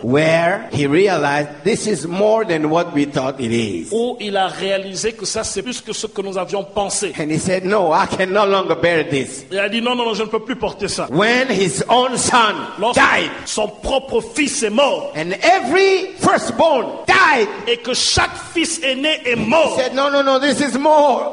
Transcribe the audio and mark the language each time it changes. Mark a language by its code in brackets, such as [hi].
[en] Where he realized this is more than what we thought it is. [fr] Où il a réalisé que ça c'est plus que ce que nous avions pensé. [en] And he said, no, I can no longer bear this. [fr] Il a dit non. Non, je ne peux plus porter ça. [en] When his own son [fr] lorsque [en] died, [fr] son propre fils est mort. [en] And every firstborn died, [fr] et que chaque fils aîné est mort. [en] He said, no, no, no, this is more.